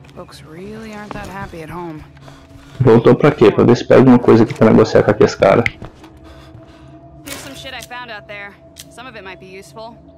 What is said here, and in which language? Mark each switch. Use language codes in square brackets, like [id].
[en] folks really aren't that happy at home. [pt] Voltou pra quê? Pra ver se pega alguma coisa aqui pra negociar com aqueles caras. [en] Here's some shit I found out there. Some of it might be useful.